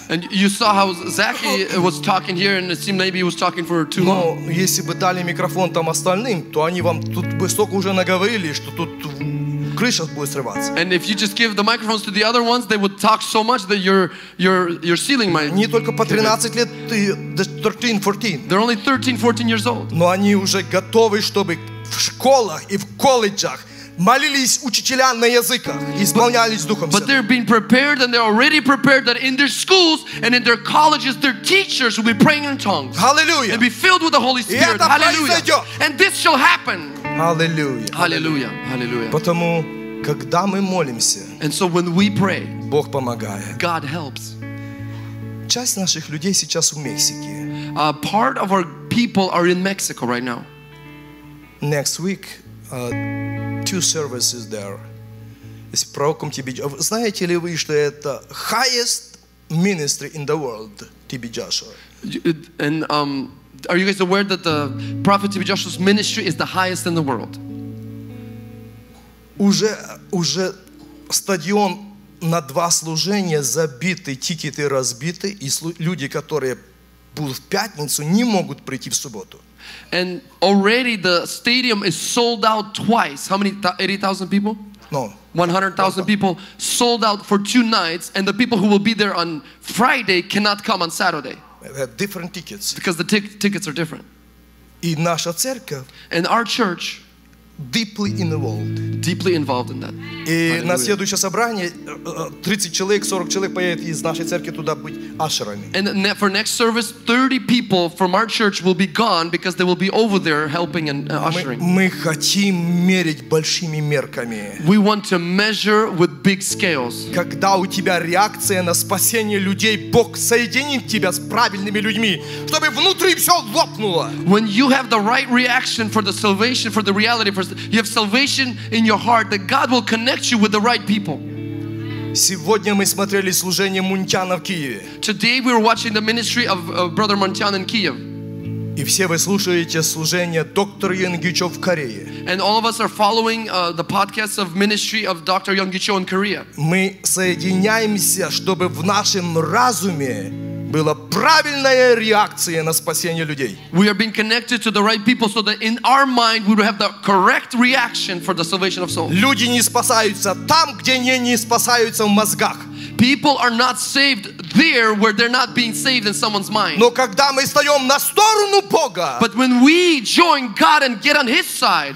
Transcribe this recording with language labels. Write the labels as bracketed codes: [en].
[en] And you saw how Zachary was talking here, and it seemed maybe he was talking for too long. [ru] Но если бы дали микрофон там остальным, то они вам тут бы столько уже наговорили, что тут крыша будет срываться. [en] And if you just give the microphones to the other ones, they would talk so much that your ceiling might. [ru] Не только по 13 лет, 13-14. [en] They're only 13-14 years old. [ru] Но они уже готовы, чтобы в школах и в колледжах молились учителя на языках, исполнялись Духом Святым. [en] But they're being prepared and they're already prepared that in their schools and in their colleges their teachers will be praying in tongues. Hallelujah. And be filled with the Holy Spirit. Hallelujah. And this shall happen. Hallelujah. Hallelujah. Hallelujah. [ru] Потому когда мы молимся, [en] and so when we pray, [ru] Бог помогает. [en] God helps. [ru] Часть наших людей сейчас в Мексике. [en] Part of our people are in Mexico right now. Next week, two services there. [ru] Is проком TB. Знаете ли вы, что это [en] highest ministry in the world, [ru] TB Joshua? [en] And are you guys aware that the prophet TB Joshua's ministry is the highest in the world? [ru] Уже стадион на два служения забиты, тикеты разбиты, и люди, которые будут в пятницу, не могут прийти в субботу. [en] And already the stadium is sold out twice. How many? 80,000 people? No. 100,000 people sold out for two nights, and the people who will be there on Friday cannot come on Saturday. They have different tickets. Because the tickets are different. [ru] И наша церковь. [en] And our church. Deeply involved. Deeply involved in that. [ru] И Hallelujah. На следующее собрание 30 человек, 40 человек поедет из нашей церкви туда быть ашерами. [en] And for next service, 30 people from our church will be gone because they will be over there helping and ushering. [ru] Мы хотим мерить большими мерками. [en] We want to measure with big scales. [ru] Когда у тебя реакция на спасение людей, Бог соединит тебя с правильными людьми, чтобы внутри все лопнуло. [en] When you have the right reaction for the salvation, for the reality, you have salvation in your heart that God will connect you with the right people. [ru] Сегодня мы смотрели служение Мунтяна в Киеве. [en] Today we were watching the ministry of Brother Muntian in Kiev. [ru] И все вы слушаете служение доктора Юнгичо в Корее. [en] And all of us are following the podcast of ministry of Dr. Юнгичо in Korea. [ru] Мы соединяемся, чтобы в нашем разуме была правильная реакция на спасение людей. [en] We are being connected to the right people so that in our mind we will have the correct reaction for the salvation of souls. [ru] Люди не спасаются там, где они не спасаются в мозгах. [en] People are not saved there where they're not being saved in someone's mind. [ru] Но когда мы встаем на сторону Бога, [en] but when we join God and get on His side,